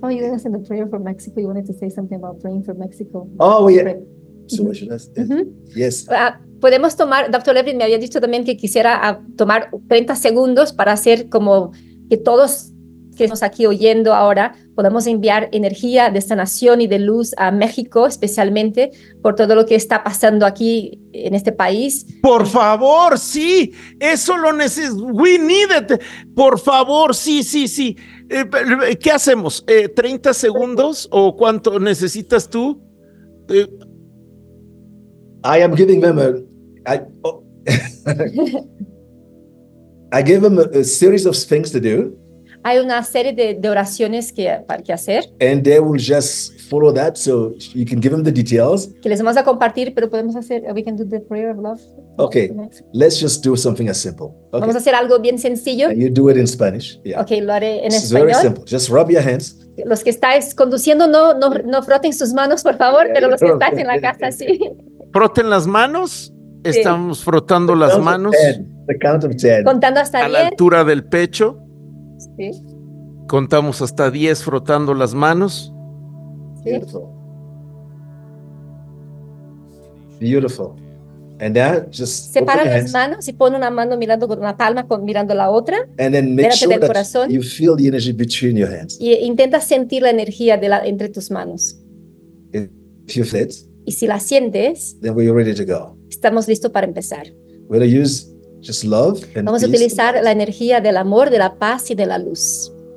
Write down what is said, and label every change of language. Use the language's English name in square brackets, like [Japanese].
[English] Oh, you didn't send a prayer for Mexico. You wanted to say something about praying for Mexico. Oh, yeah. So [Spanish] mm-hmm. Yes. Podemos tomar, Dr. Levin me había dicho también que quisiera tomar 30 segundos para hacer como que todos que estamos aquí oyendo ahora podamos enviar energía de sanación y de luz a México, especialmente por todo lo que está pasando aquí en este país. Por favor, sí, eso lo necesitamos. [English] We need it. [Spanish] Por favor, sí. ¿Qué hacemos? ¿30 segundos o cuánto necesitas tú? [English] I am giving them I gave them a series of things to do. [Spanish] Hay una serie de oraciones que para que hacer. [English] And they will just follow that, so you can give them the details. [Spanish] Que les vamos a compartir, pero podemos hacer. [English] We can do the prayer of love. Okay, let's just do something as simple. Okay. [Spanish] Vamos a hacer algo bien sencillo. [English] And you do it in Spanish. Yeah. [Spanish] Okay, lo haré en [English] this [Spanish] español. [English] It's very simple. Just rub your hands. [Spanish] Los que estáis conduciendo no froten sus manos, por favor. Yeah, pero los que estáis en la casa sí. Froten las manos. Estamos frotando las manos. [English] The count of 10. [Spanish] Contando hasta 10. A la altura del pecho. Sí. Contamos hasta 10 frotando las manos. [English] Beautiful. And then just [Spanish] separa las manos y pon una mano mirando con una palma mirando la otra. [English] And then make sure that you feel the energy between your hands. [Spanish] Y intenta sentir la energía de entre tus manos. [English] If you feel it, [Spanish] y si la sientes, [English] then we're ready to go. [Spanish] Estamos listos para empezar. [English] We're gonna use just love and [Spanish] vamos a utilizar [English] peace. [Spanish] La energía del amor, de la paz y de la luz.